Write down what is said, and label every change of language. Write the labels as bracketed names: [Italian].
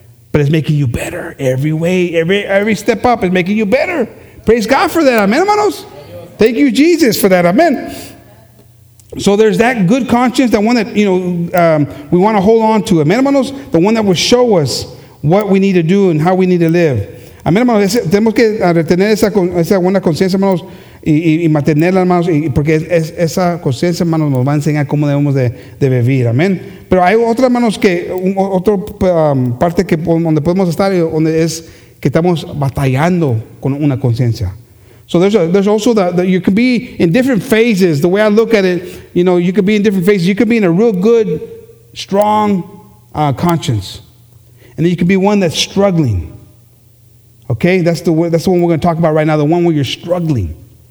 [English] But it's making you better every way, every step up is making you better. Praise God for that. Amen, hermanos. Thank you, Jesus, for that. Amen. So there's that good conscience, the one that, you know, we want to hold on to. Amen, hermanos. The one that will show us what we need to do and how we need to live. [Spanish] Amen, hermanos. Tenemos que retener esa buena conciencia, hermanos. Y mantenerla, hermanos, porque esa conciencia, hermanos, nos va a enseñar cómo debemos de vivir, amén. Pero hay otra, hermanos, que otra parte que donde podemos estar, donde es que estamos batallando con una conciencia. [English] So there's also that you can be in different phases. The way I look at it, you know, you can be in different phases. You can be in a real good, strong conscience, and then you can be one that's struggling. Okay, that's the one we're going to talk about right now. The one where you're struggling.